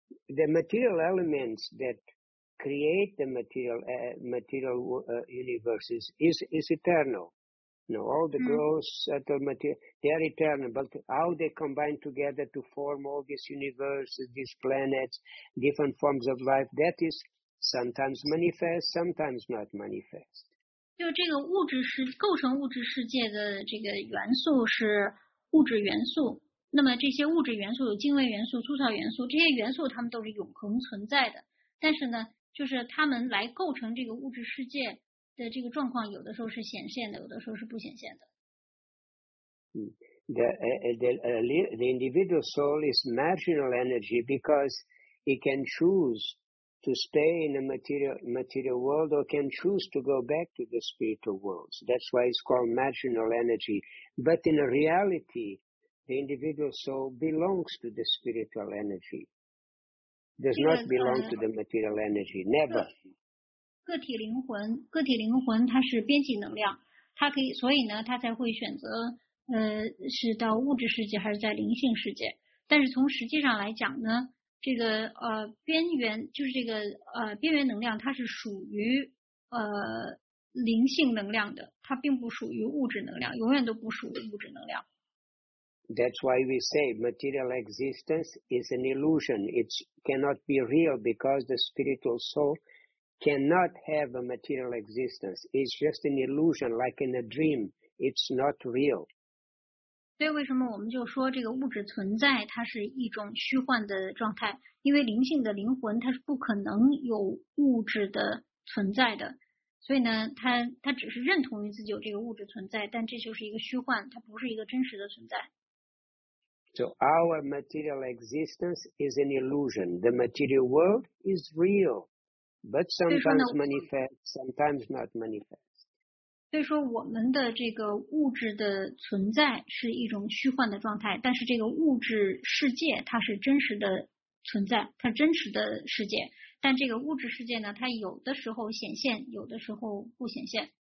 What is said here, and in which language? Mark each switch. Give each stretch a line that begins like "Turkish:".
English: The material elements that create the material universes is eternal. You know, all the gross, subtle material, they are eternal, but how they combine together to form all these universes, these planets, different forms of life, that is sometimes manifest, sometimes not manifest.
Chinese: 就这个物质是构成物质世界的这个元素是物质元素。那么这些物质元素有精微元素、粗糙元素，这些元素它们都是永恒存在的。但是呢，就是它们来构成这个物质世界的这个状况，有的时候是显现的，有的时候是不显现的。
English: The individual soul is marginal energy because it can choose to stay in the material world or can choose to go back to the spiritual worlds. That's why it's called marginal energy. But in reality, the individual soul belongs to the spiritual energy. Does not belong to the material energy. Never.
Chinese: 个体灵魂它是边际能量，它可以，所以呢，它才会选择是到物质世界还是在灵性世界。但是从实际上来讲呢，这个边缘，就是这个边缘能量，它是属于灵性能量的，它并不属于物质能量，永远都不属于物质能量。
English: That's why we say material existence is an illusion. It cannot be real because the spiritual soul cannot have a material existence. It's just an illusion, like in a dream. It's not real.
Chinese: 所以为什么我们就说这个物质存在它是一种虚幻的状态？因为灵性的灵魂它是不可能有物质的存在的。所以呢，它只是认同于自己有这个物质存在，但这就是一个虚幻，它不是一个真实的存在。
English: So our material existence is an illusion. The material world is real, but sometimes manifest, sometimes not manifest.
Chinese: 所以说我们的这个物质的存在是一种虚幻的状态，但是这个物质世界它是真实的存在，它真实的世界。但这个物质世界呢，它有的时候显现，有的时候不显现。